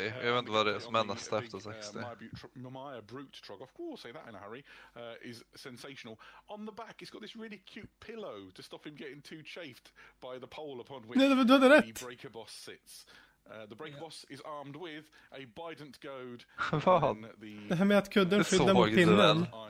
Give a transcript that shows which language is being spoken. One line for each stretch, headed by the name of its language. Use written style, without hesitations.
Swedish: Jag vet inte vad det är som är nästa efter 60.
English: Maya Brute Trog, of course, say that in a hurry, is sensational. On the back, he's got this really cute pillow to stop him getting too chafed by the pole upon which the Breaker Boss sits. The Breaker Boss is armed with a Bident Goad.
Swedish: Vad? Det här med att kudden skyddar mot pinnen.